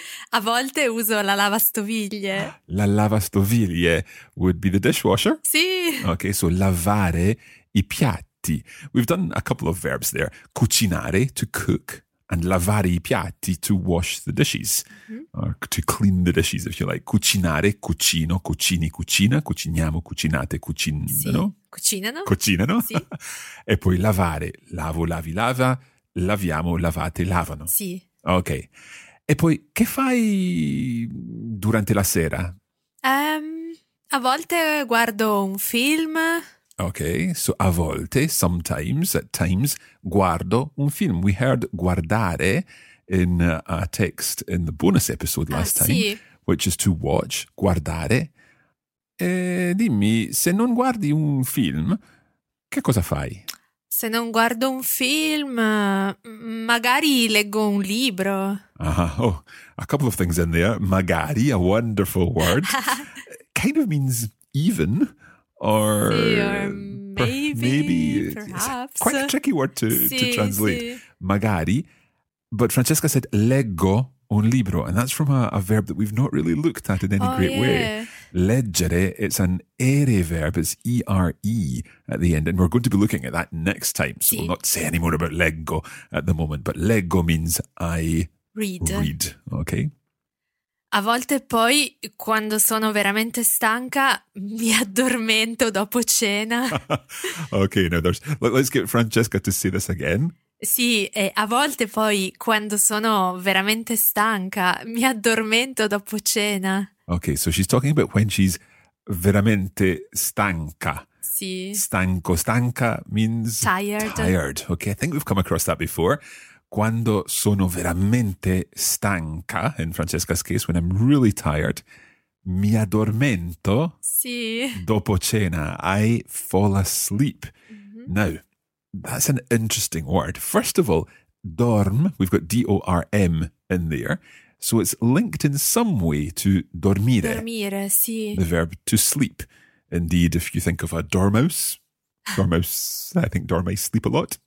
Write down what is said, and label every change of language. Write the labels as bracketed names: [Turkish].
[Italian] A volte uso la lavastoviglie. [English] La lavastoviglie would be the dishwasher? [Italian] Sì. Ok, so lavare i piatti. [English] We've done a couple of verbs there. Cucinare, to cook, and lavare i piatti, to wash the dishes. Mm-hmm. Or to clean the dishes, if you like. [Italian] Cucinare, cucino, cucini, cucina, cuciniamo, cucinate, cucinano. Sì. Cucinano. Cucinano. Sì. E poi lavare. Lavo, lavi, lava. Laviamo, lavate, lavano. Sì. Ok. E poi, che fai durante la sera? A volte guardo un film. [English] Ok, so a volte, sometimes, at times, [Italian] guardo un film. [English] We heard guardare in a text in the bonus episode last time, [Italian] sì, [English] which is to watch, guardare. [Italian] E dimmi, se non guardi un film, che cosa fai? Se non guardo un film, magari leggo un libro. [English] Oh, a couple of things in there. Magari, a wonderful word. Kind of means even. or, maybe, perhaps. It's quite a tricky word to translate. Sì. Magari. But Francesca said, [Italian] leggo un libro. [English] And that's from a verb that we've not really looked at in any way. Leggere, it's an ere verb. It's E-R-E at the end. And we're going to be looking at that next time. So we'll not say any more about leggo at the moment. But leggo means I read. Okay. [Italian] A volte poi, quando sono veramente stanca, mi addormento dopo cena. [English] Okay, now let's get Francesca to say this again. [Italian] Sì, e a volte poi, quando sono veramente stanca, mi addormento dopo cena. [English] Okay, so she's talking about when she's [Italian] veramente stanca. Sì. [English] Stanco, stanca means tired. Okay, I think we've come across that before. [Italian] Quando sono veramente stanca, [English] in Francesca's case, when I'm really tired, [Italian] mi addormento dopo cena. [English] I fall asleep. Mm-hmm. Now, that's an interesting word. First of all, dorm, we've got D-O-R-M in there. So it's linked in some way to dormire. [Italian] Dormire, sì. [English] The verb to sleep. Indeed, if you think of a dormouse. I think dormice sleep a lot.